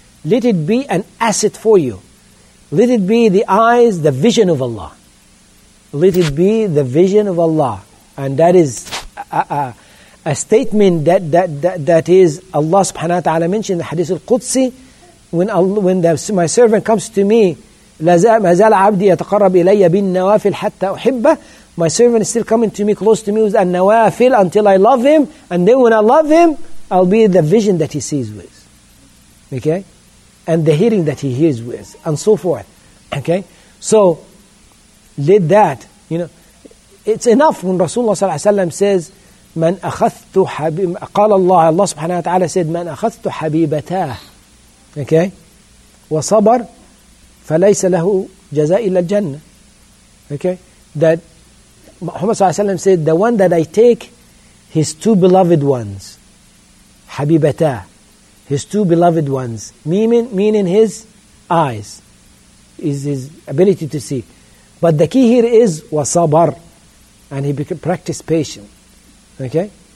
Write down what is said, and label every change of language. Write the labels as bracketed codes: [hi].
[en] Let it be an asset for you. Let it be the eyes, the vision of Allah. Let it be the vision of Allah. And that is a statement that is Allah subhanahu wa ta'ala mentioned in the Hadith al-Qudsi. When my servant comes to me, [ar] مَزَالَ عَبْدِي يَتَقَرَّبْ إِلَيَّ بِالنَّوَافِلْ حَتَّى أُحِبَّهُ. [en] My servant is still coming to me, close to me with النَّوَافِلْ until I love him. And then when I love him, I'll be the vision that he sees with. Okay? And the hearing that he hears with, and so forth. Okay? So, let that, you know, it's enough when Rasulullah sallallahu alayhi wa sallam says, [ar] مَنْ أَخَذْتُ حَبِيبَ قَالَ اللَّهُ [en] Allah subhanahu wa ta'ala said, [ar] مَنْ أَخَذْتُ حَبِيبَتَاهُ [en] Okay? [ar] وَصَبَرْ فَلَيْسَ لَهُ جَزَاء إِلَّا الْجَنَّةِ Okay? [en] That Muhammad sallallahu alayhi wa sallam said, the one that I take his two beloved ones, حَبِيبَتَاهُ His two beloved ones, meaning his eyes, is his ability to see. But the key here is wasabar, and he practiced patience. Okay?